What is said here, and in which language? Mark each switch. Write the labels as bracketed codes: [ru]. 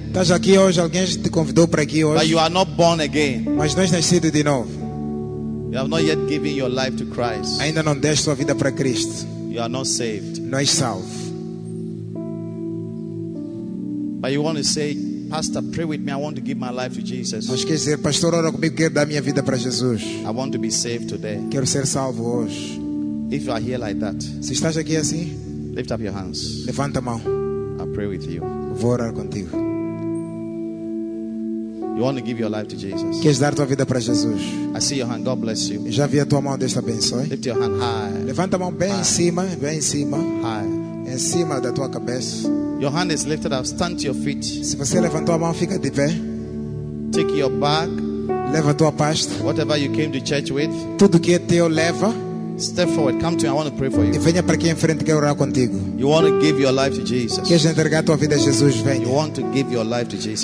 [pt] Estás aqui hoje, alguém te convidou para aqui hoje. [en] But you are not born again. [pt] Mas não és nascido de novo. [en] You have not yet given your life to Christ. [pt] Ainda não deste tua vida para Cristo. [en] You are not saved. [pt] Não és salvo. [en] But you want to say, Pastor, pray with me. I want to give my life to Jesus. [pt] Mas quer dizer, pastor, ora comigo, quero dar minha vida para Jesus. [en] I want to be saved today. [pt] Quero ser salvo hoje. [en] If you are here like that, [pt] se estás aqui assim, [en] lift up your hands. [pt] Levanta a mão. [en] I pray with you. [pt] Vou orar contigo. [en] You want to give your life to Jesus? [pt] Queres dar tua vida para Jesus? [en] I see your hand. God bless you. [pt] Já vi a tua mão, Deus te abençoe. [en] Lift your hand high. [pt] Levanta a mão bem [en] high. [pt] Em cima, bem em cima. [en] High. [pt] Em cima da tua cabeça. [en] Your hand is lifted up. Stand to your feet. [pt] Se você levantou a mão, fica de pé. [en] Take your bag. [pt] Leva tua pasta. [en] Whatever you came to church with. [pt] Tudo que é teu, leva. [en] Step forward, come to me. I want to pray for you. [pt] E venha para aqui em frente, quero orar contigo. [en] You want to give your life to Jesus. [pt] Queres entregar tua vida a Jesus? Venha. [en] You want to give your life to Jesus.